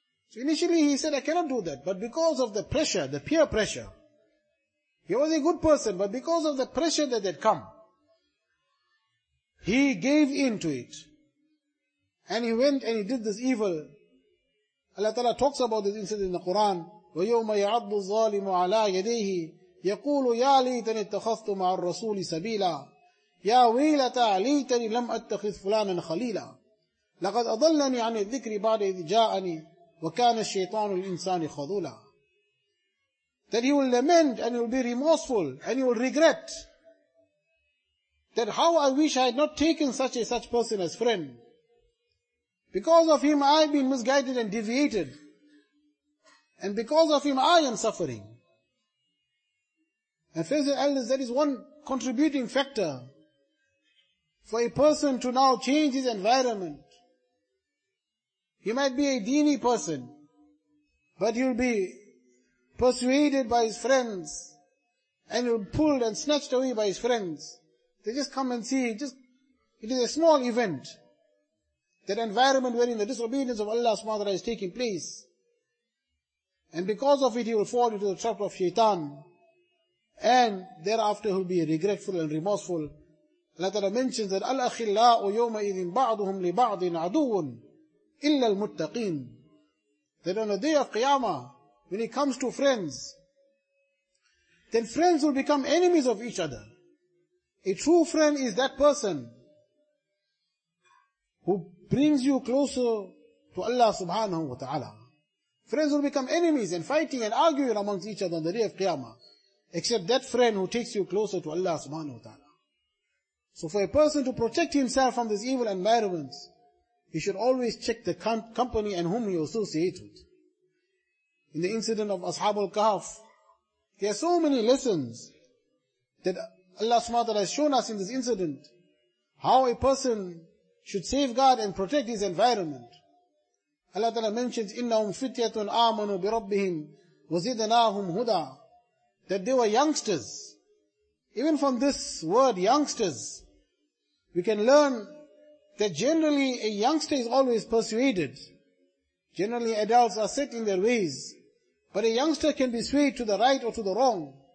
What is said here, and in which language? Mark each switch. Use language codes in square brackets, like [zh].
[en] So initially he said, I cannot do that. But because of the pressure, the peer pressure, he was a good person, but because of the pressure that had come, he gave in to it. And he went and he did this evil. Allah Ta'ala talks about this incident in the Quran. [ar] وَيَوْمَ يَعَضُّ الظَّالِمُ عَلَىٰ يَدَيْهِ يَقُولُ يَا لَيْتَنِي اتَّخَذْتُ مَعَ الرَّسُولِ سَبِيلًا يَا وَيْلَتَا لَيْتَنِي لَمْ أَتَّخِذْ فُلَانًا خَلِيلًا لَقَدْ أَضَلَّنِي عَنِ الذِّكْرِ بَعْدَ إِذْ جَاءَنِي وَكَانَ الشَّيْطَانُ الْإِنسَانِ خَذُولًا. [en] That he will lament and he will be remorseful and he will regret that how I wish I had not taken such person as friend. Because of him I have been misguided and deviated. And because of him I am suffering. And friends and elders, that is one contributing factor for a person to now change his environment. He might be a deeny person, But he'll be persuaded by his friends, and he'll be pulled and snatched away by his friends. They just come and see, it is a small event. That environment wherein the disobedience of Allah subhanahu wa ta'ala is taking place. And because of it, he will fall into the trap of shaitan. And thereafter, he'll be regretful and remorseful. Allah ta'ala mentions that, [ar] أَلْأَخِلَّاءُ يَوْمَ إِذٍ بَعْضُهُمْ لِبَعْضٍ عَدُوٌ إِلَّا الْمُتَّقِينَ. [en] That on the day of Qiyamah, when it comes to friends, then friends will become enemies of each other. A true friend is that person who brings you closer to Allah subhanahu wa ta'ala. Friends will become enemies and fighting and arguing amongst each other on the day of Qiyamah. Except that friend who takes you closer to Allah subhanahu wa ta'ala. So for a person to protect himself from this evil environment, he should always check the company and whom he associates with. In the incident of Ashab al-Kahf, there are so many lessons that Allah subhanahu wa ta'ala has shown us in this incident. How a person should safeguard and protect his environment. Allah ta'ala mentions, [ar] إِنَّهُمْ فِتْيَةٌ آمَنُوا بِرَبِّهِمْ وَزِدَنَاهُمْ هُدَىٰ. [en] That they were youngsters. Even from this word, youngsters, we can learn that generally a youngster is always persuaded. Generally adults are set in their ways. But a youngster can be swayed to the right or to the wrong.